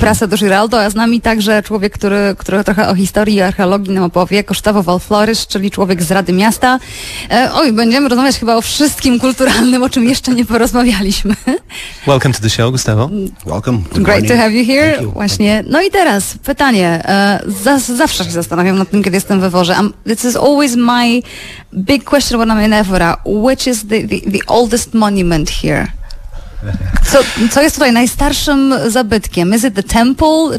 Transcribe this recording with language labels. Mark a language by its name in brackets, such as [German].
[Polish] Prasa do Giraldo, a z nami także człowiek, który trochę o historii i archeologii nam opowie, Kosztowo Walflorysz, czyli człowiek z Rady Miasta. Oj, będziemy rozmawiać chyba o wszystkim kulturalnym, o czym jeszcze nie porozmawialiśmy. [English] Welcome to the show, Gustavo. Welcome. Great to have you here. Thank you. [Polish] Właśnie. No i teraz pytanie. Zawsze się zastanawiam nad tym, kiedy jestem we Worze. [English] This is always my big question when I'm in Évora. Which is the oldest monument here? [Polish] Co jest tutaj najstarszym zabytkiem? [English] Is it the temple?